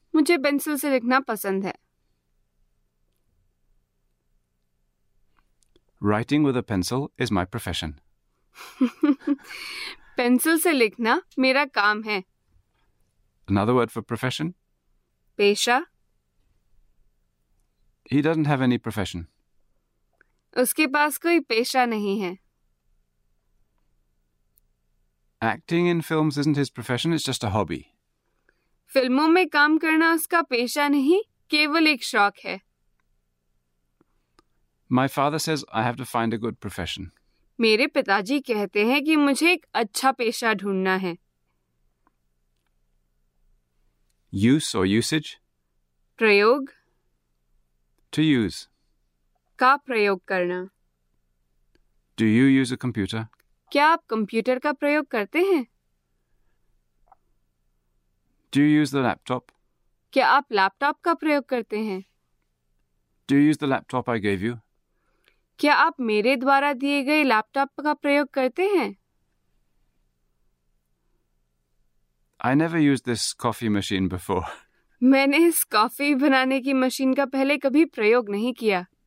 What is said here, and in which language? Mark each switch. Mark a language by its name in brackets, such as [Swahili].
[Hindi] मुझे पेंसिल से लिखना पसंद है. [English] Writing with a pencil is my profession. [Hindi] Pencil से लिखना मेरा काम है. [English] Another word for profession? [Hindi] पेशा. [English] He doesn't have any profession. [Hindi] उसके पास कोई पेशा नहीं है. [English] Acting in films isn't his profession, it's just a hobby. [Hindi] फिल्मों में काम करना उसका पेशा नहीं, केवल एक शौक है. [English] My father says I have to find a good profession. [Hindi] मेरे पिताजी कहते हैं कि मुझे एक अच्छा पेशा ढूंढना है. [English] Use or usage? [Hindi] प्रयोग. [English] To use. [Hindi] का प्रयोग करना। [English] Do you use a computer? [Hindi] क्या आप कंप्यूटर का प्रयोग करते हैं? [English] Do you use the laptop? [Hindi] क्या आप लैपटॉप का प्रयोग करते हैं? [English] Do you use the laptop I gave you? [Hindi] क्या आप मेरे द्वारा दिए गए लैपटॉप का प्रयोग करते हैं? [English] I never used this coffee machine before. [Hindi] मैंने इस कॉफी बनाने की मशीन का पहले कभी प्रयोग नहीं किया।